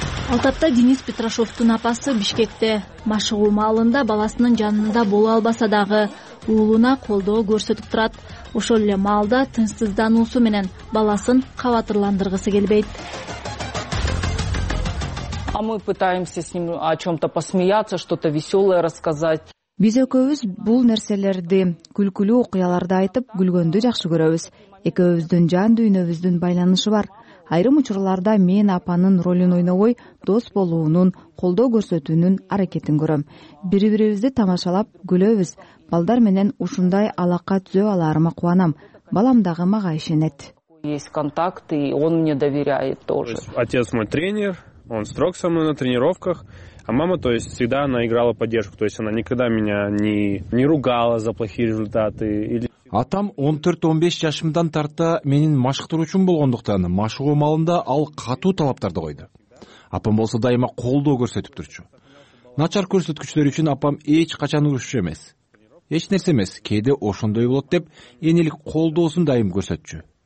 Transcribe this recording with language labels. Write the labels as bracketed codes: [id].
[ky] Алтапта Денис Петрашовтун апасы Бишкекте машыгуу маалында баласынын жанында боло албаса дагы уулуна колдоо көрсөтүп турат. Ошол эле маалда тынчсыздануусу менен баласын кабатырландыргысы келбейт. [ru] А мы пытаемся с ним о чём-то посмеяться, что-то весёлое рассказать. [ky] Биз экөөбүз бул нерселерди, күлкүлүү окуяларды айтып, күлгөндү жакшы көрөбүз. Экөөбүздүн жан дүйнөбүздүн байланышы бар. Айрым учурларда мен апанын ролун ойнобой, дос болуунун, колдоо көрсөтүүнүн аракетин көрөм. Бири-бирибизди тамашалап күлөбүз. Балдар менен ушундай алака түзөп аларыма кубанам. Балам дагы мага ишенет. [ru] Есть контакт, и он мне доверяет тоже. Отец мой тренер, он строг со мной на тренировках. А мама, то есть, всегда она играла поддержку. То есть, она никогда меня не ругала за плохие результаты. [ky] Атам 14-15 жашымдан тарта менин машыктыруучум болгондуктан, машыгуу маалында ал катуу талаптарды койду. Апам болсо дайыма колдоо көрсөтүп турчу. Начар көрсөткүчтөр үчүн апам эч качан урушчу эмес. Эч нерсе эмес, кээде ошондой болот деп, энелик колдоосун дайым көрсөтчү.